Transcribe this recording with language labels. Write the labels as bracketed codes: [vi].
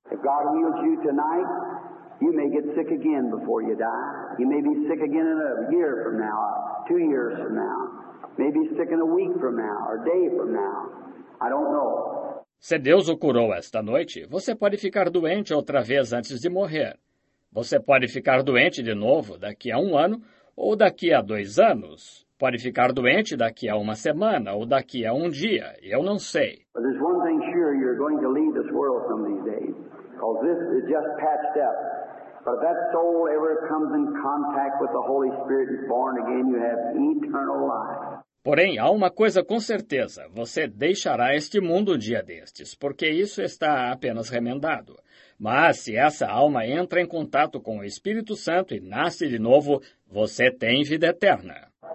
[en] If God heals you tonight, you may get sick again before you die. You may be sick again in a year from now, 2 years from now. Maybe sick in a week from now, or a day from now. I don't know. [pt] Se Deus o curou esta noite, você pode ficar doente outra vez antes de morrer. Você pode ficar doente de novo daqui a um ano ou daqui a 2 anos. Pode ficar doente daqui a uma semana ou daqui a um dia, eu não sei. [en] But there's one thing sure, you're going to leave this world some of these days, because this is just patched up. But if that soul ever comes in contact with the Holy Spirit and is born again, you have eternal life. [pt] Porém, há uma coisa com certeza, você deixará este mundo um dia destes, porque isso está apenas remendado. Mas se essa alma entra em contato com o Espírito Santo e nasce de novo, você tem vida eterna.